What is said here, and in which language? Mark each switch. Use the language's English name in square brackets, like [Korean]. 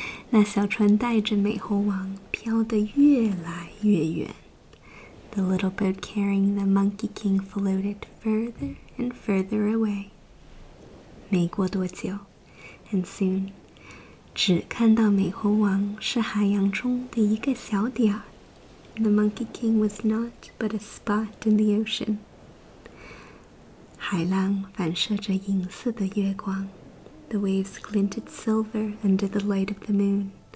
[Chinese] 那小船带着美猴王飘得越来越远。 [English] The little boat carrying the monkey king floated further and further away. [Chinese] 没过多久 [English] and soon, [Chinese] 只看到美猴王是海洋中的一个小点儿。 [English] The monkey king was not but a spot in the ocean. [Chinese] 海浪反射着银色的月光。 [English] The waves glinted silver under the light of the moon.